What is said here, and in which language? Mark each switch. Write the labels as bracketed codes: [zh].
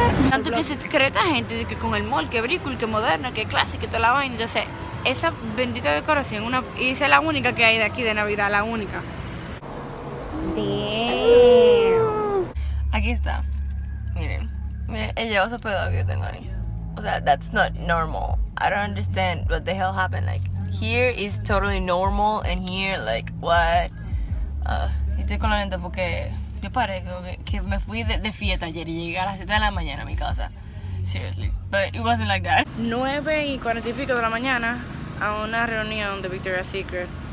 [es] Tanto que se cree esta gente de que con el mall, que brícul, que moderno, que clásico, que toda la vaina. Entonces, esa bendita decoración, una, y esa es la única que hay de aquí de Navidad, la única. [en] Damn. [es] Aquí está. Miren. Miren, el llevazo pedao que yo tengo ahí. [en] O sea, that's not normal. I don't understand what the hell happened. Like, here is totally normal, and here, like, what? [es] Estoy con la lente porque. Yo paré, que me fui de fiesta ayer y llegué a las 7 de la mañana a mi casa. [en] Seriously, but it wasn't like that. [es] 9:40 de la mañana a una reunión de Victoria's Secret.